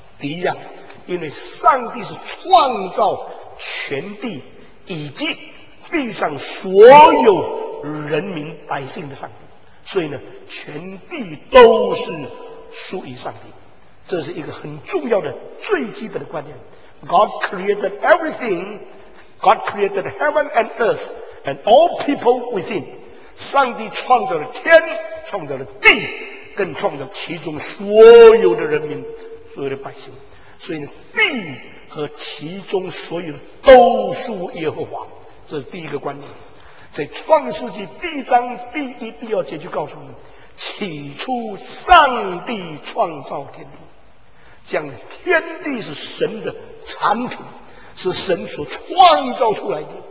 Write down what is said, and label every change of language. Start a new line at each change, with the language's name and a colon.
Chinese: 第一样，因为上帝是创造全地以及地上所有人民百姓的上帝，所以呢全地都是属于上帝，这是一个很重要的最基本的观念。
English: God created everything. God created heaven and earth and all people within.
Chinese: 上帝创造了天，创造了地，更创造其中所有的人民，所有的百姓。所以地和其中所有都属耶和华，这是第一个观念。在创世纪第一章第一第二节就告诉我们，起初上帝创造天地，讲天地是神的产品，是神所创造出来的。